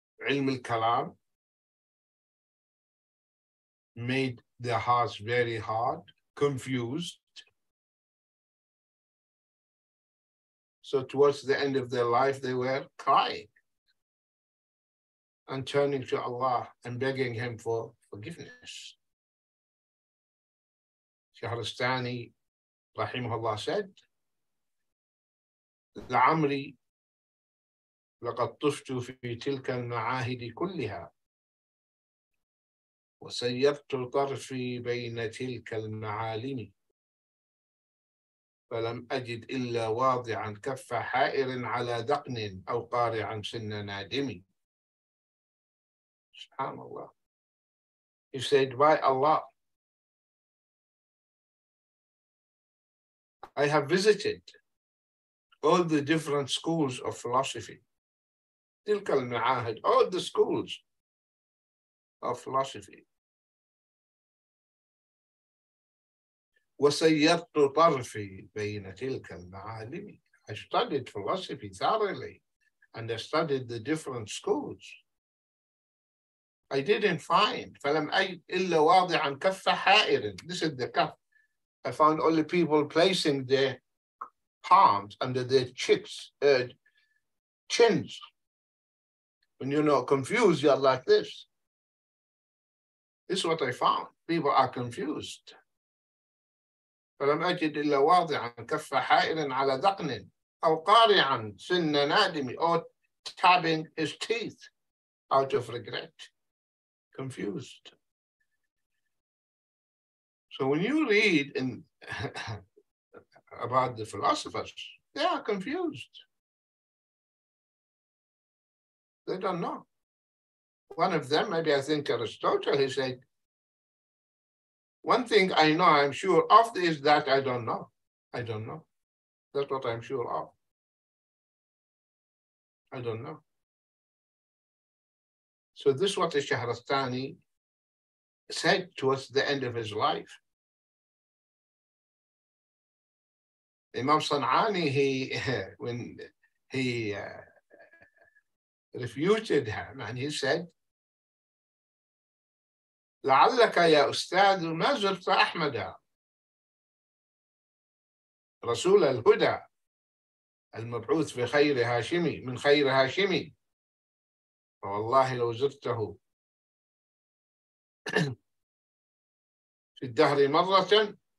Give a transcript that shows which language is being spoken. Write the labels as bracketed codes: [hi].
[en] Ilm al-Kalam made their hearts very hard, confused. So towards the end of their life, they were crying and turning to Allah and begging him for forgiveness. Shahristani, rahimahullah, said, [ar] لَعَمْرِي لَقَدْ طُفْتُ فِي تِلْكَ الْمَعَاهِدِ كُلِّهَا وَسَيَّرْتُ طَرْفِي بَيْنَ تِلْكَ الْمَعَالِمِ فَلَمْ أَجِدْ إِلَّا وَاضِعًا كَفَّ حَائِرٍ عَلَى دَقْنٍ أَوْ قَارِعًا سِنَّ نَادِمِ. [en] SubhanAllah. He said, by Allah, I have visited all the different schools of philosophy. [ar] تلك المعاهد, [en] all the schools of philosophy. [ar] وسيرت طرفي بين تلك المعالم. [en] I studied philosophy thoroughly and I studied the different schools. I didn't find, [ar] فلم أجد إلا واضعا كف حائر. [en] This is the cup. I found only people placing their palms under their chips, chins. When you're not confused, you're like this. This is what I found. People are confused. [ar] فلم أجد إلا واضعا كف حائر على ذقن أو قارعا سن نادم [en] or tapping his teeth out of regret. Confused. So when you read in about the philosophers, they are confused. They don't know. One of them, maybe I think Aristotle, he said, one thing I know, I'm sure of, is that I don't know. I don't know. That's what I'm sure of. I don't know. So this is what Shahrastani said towards the end of his life. Imam Sanani, when he refuted him, and he said, [ar] لَعَلَّكَ يَا أُسْتَاذُ مَا زُرْتَ أَحْمَدَ رَسُولَ الْهُدَى الْمَبْعُوثِ فِي خَيْرِ هَاشِمِي مِنْ خَيْرِ هَاشِمِي فوالله لو زرته في الدهر مرة